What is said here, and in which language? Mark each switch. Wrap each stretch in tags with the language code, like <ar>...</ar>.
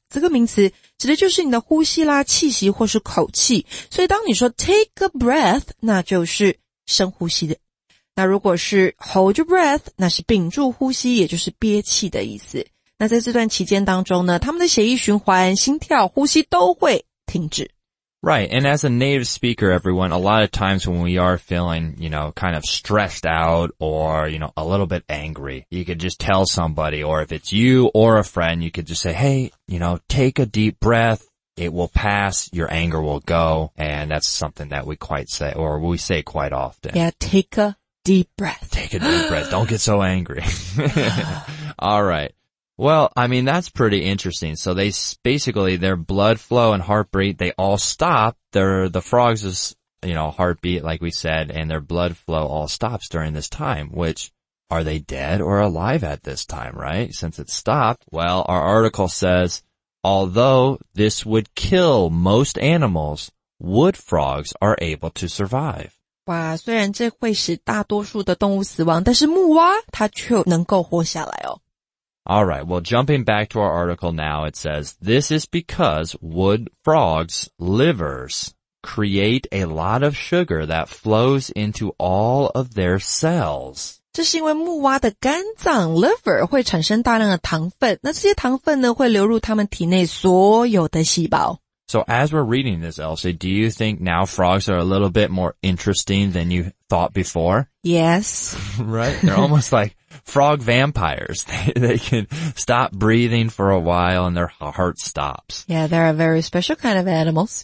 <zh>这个名词指的就是你的呼吸啦、气息或是口气。所以当你说</zh> <en>take a breath,</en> <zh>那就是深呼吸的。那如果是</zh> <en>hold your breath,</en> <zh>那是屏住呼吸，也就是憋气的意思。那在这段期间当中呢，他们的血液循环、心跳、呼吸都会停止。</zh> <en>Right, and as a native speaker, everyone, a lot of times when we are feeling, you know, kind of stressed out or, you know, a little bit angry, you could just tell somebody, or if it's you or a friend, you could just say, hey, you know, take a deep breath, it will pass, your anger will go, and that's something that we quite say, or we say quite often. Yeah, take a deep breath. Take a deep breath, don't get so angry. All right. Well, I mean, that's pretty interesting. So they, basically, their blood flow and heartbeat, they all stop. The frogs' is, you know, heartbeat, like we said, and their blood flow all stops during this time, which, are they dead or alive at this time, right? Since it stopped. Well, our article says, although this would kill most animals, wood frogs are able to survive.</en> <zh>哇，虽然这会使大多数的动物死亡，但是木蛙它却能够活下来哦。</zh> <en>Alright, well jumping back to our article now, it says, this is because wood frogs' livers create a lot of sugar that flows into all of their cells.</en> <zh>这是因为木蛙的肝脏 liver 会产生大量的糖分，那这些糖分呢会流入他们体内所有的细胞。</zh> <en>So as we're reading this, Elsie, do you think now frogs are a little bit more interesting than you thought before? Yes. Right? They're almost like frog vampires. They can stop breathing for a while and their heart stops. Yeah, they're a very special kind of animals.</en>